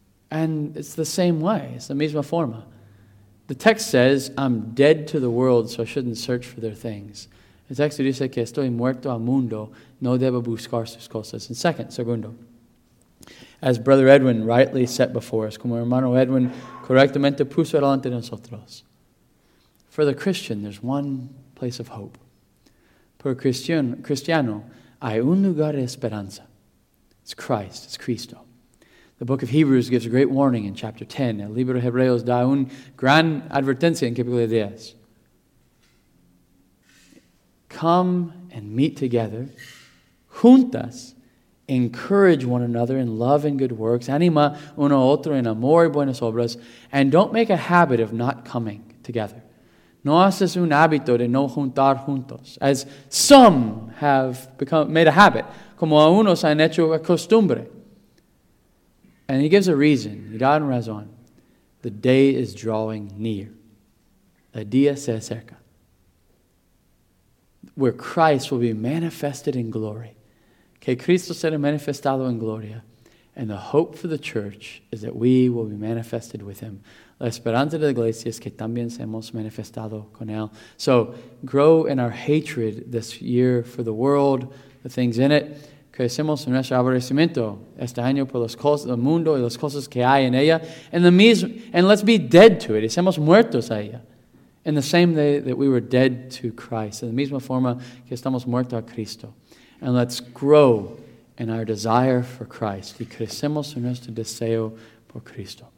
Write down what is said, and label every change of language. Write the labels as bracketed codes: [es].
[en] And it's the same way. It's the [es] misma forma. [en] The text says, I'm dead to the world, so I shouldn't search for their things. [es] El texto dice que estoy muerto al mundo, no debo buscar sus cosas. [en] And segundo. As Brother Edwin rightly set before us, [es] como hermano Edwin correctamente puso delante de nosotros. [en] For the Christian, there's one place of hope. [es] Por cristiano, hay un lugar de esperanza. [en] It's Christ, it's Cristo. The book of Hebrews gives a great warning in chapter 10. [es] El libro de Hebreos da un gran advertencia en capítulo 10. [en] Come and meet together, juntas, encourage one another in love and good works. [es] Anima uno a otro en amor y buenas obras. [en] And don't make a habit of not coming together. [es] No haces un hábito de no juntar juntos. [en] As some have become made a habit. [es] Como a unos han hecho a costumbre. [en] And he gives a reason. He [es] da una razón. [en] The day is drawing near. [es] El día se acerca. [en] Where Christ will be manifested in glory. [es] Que Cristo será manifestado en gloria. [en] And the hope for the church is that we will be manifested with him. [es] La esperanza de la iglesia es que también seamos manifestados con él. [en] So grow in our hatred this year for the world, the things in it. [es] Crecemos en nuestro aborrecimiento este año por las cosas del mundo y las cosas que hay en ella. [en] And let's be dead to it. [es] Estamos muertos a ella. [en] In the same way that we were dead to Christ. [es] En la misma forma que estamos muertos a Cristo. [en] And let's grow in our desire for Christ. [es] Y crecemos en nuestro deseo por Cristo.